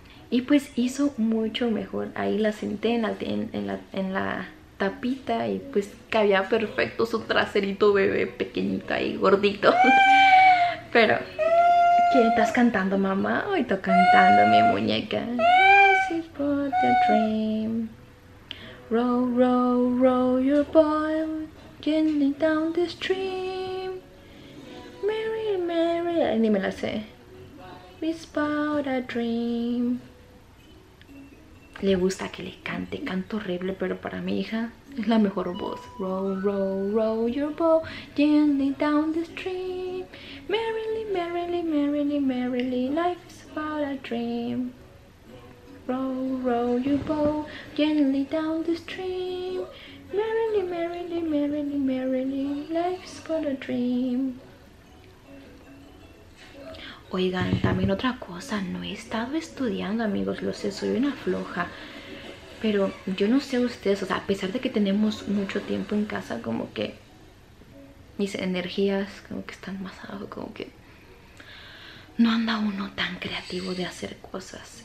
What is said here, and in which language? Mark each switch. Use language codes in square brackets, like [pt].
[es] Y pues hizo mucho mejor. Ahí la senté en la, en, en la, en la, tapita y pues cabía perfecto su traserito bebé pequeñito ahí, gordito. Pero, ¿qué estás cantando, mamá? Hoy estoy cantando, mi muñeca. [en] This is for the dream. Row, row, row your boy gently down the stream. [es] Mary, Mary, ay, ni me la sé. [en] It's about a dream. [es] Le gusta que le cante, canto horrible, pero para mi hija es la mejor voz. [en] Row, row, row your boat gently down the stream. Merrily, merrily, merrily, merrily, life is about a dream. Row, row your boat gently down the stream. Merrily, merrily, merrily, merrily, life is about a dream. [es] Oigan, también otra cosa, no he estado estudiando, amigos, lo sé, soy una floja. Pero yo no sé ustedes, o sea, a pesar de que tenemos mucho tiempo en casa, como que mis energías como que están más abajo, como que no anda uno tan creativo de hacer cosas.